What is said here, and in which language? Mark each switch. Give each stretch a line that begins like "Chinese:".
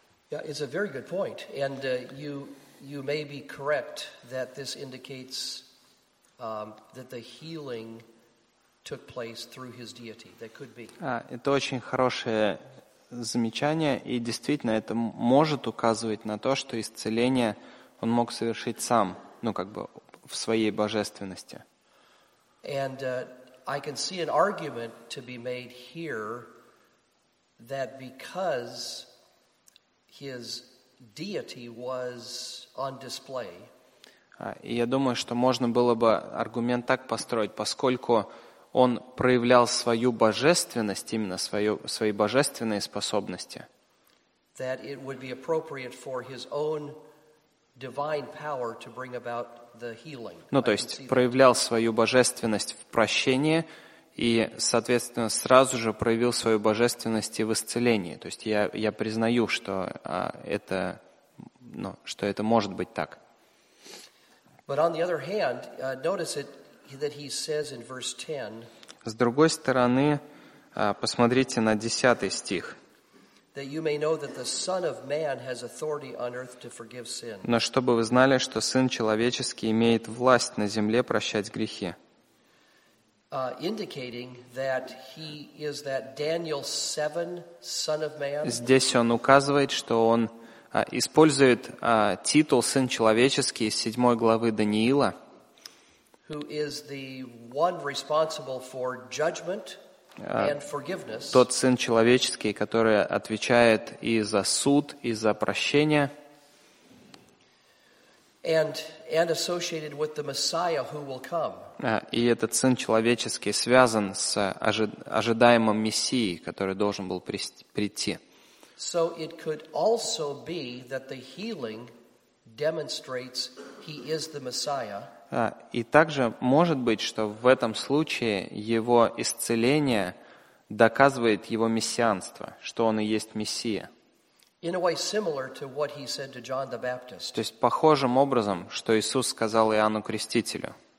English: Yeah, it's a very good point, and you may be correct that this indicates that the healing took place through his deity. That could be.
Russian: Это очень хорошее замечание, и действительно, это может указывать на то, что исцеление он мог совершить сам, ну как бы в своей божественности.
English: And I can see an argument to be made here that because his deity was on display.
Russian: И я думаю, что можно было бы аргумент так построить, поскольку он проявлял свою божественность, именно свои божественные способности,
English: that it would be appropriate for his own divine power to bring about the healing.
Russian: Ну, то есть проявлял свою божественность в прощении и, соответственно, сразу же проявил свою божественность и в исцелении. То есть я признаю, что это, ну, что это может быть так.
English: But on the other hand, notice it, that he says in verse 10.
Russian: С другой стороны, посмотрите на 10 стих.
English: That you may know that the Son of Man has authority on earth to forgive sin.
Russian: Но чтобы вы знали, что Сын человеческий имеет власть на земле прощать грехи.
English: Indicating that he is that Daniel 7 Son of Man.
Russian: Здесь он указывает, что он использует титул Сын человеческий из 7 главы Даниила.
English: Who is the one responsible for judgment? And forgiveness.
Russian: Тот Сын человеческий, который отвечает и за суд, и за прощение.
English: And associated with the Messiah who will come.
Russian: И этот Сын человеческий связан с ожидаемым Мессией, который должен был прийти.
English: So it could also be that the healing demonstrates he is the Messiah.
Russian: И также может быть, что в этом случае его исцеление доказывает его мессианство, что он и есть Мессия. То есть похожим образом, что Иисус сказал Иоанну Крестителю.